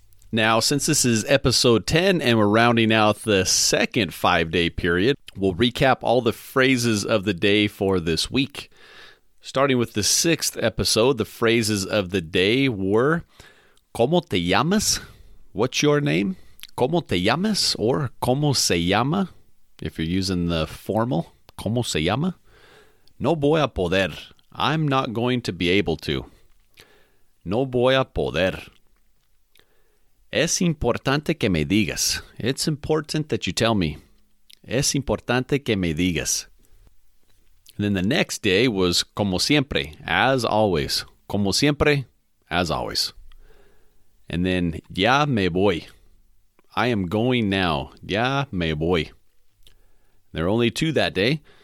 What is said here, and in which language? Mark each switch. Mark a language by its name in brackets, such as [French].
[English] Now, since this is episode 10 and we're rounding out the second 5-day period, we'll recap all the phrases of the day for this week. Starting with the 6th episode, the phrases of the day were [Spanish] ¿Cómo te llamas? [English] What's your name? [Spanish] ¿Cómo te llamas? [English] Or [Spanish] ¿Cómo se llama? [English] If you're using the formal, [Spanish] ¿Cómo se llama? No voy a poder. [English] I'm not going to be able to. [Spanish] No voy a poder. Es importante que me digas. [English] It's important that you tell me. [Spanish] Es importante que me digas. [English] And then the next day was [Spanish] como siempre, [English] as always. [Spanish] Como siempre, [English] as always. And then [Spanish] ya me voy. [English] I am going now. [Spanish] Ya me voy. [English] There are only two that day.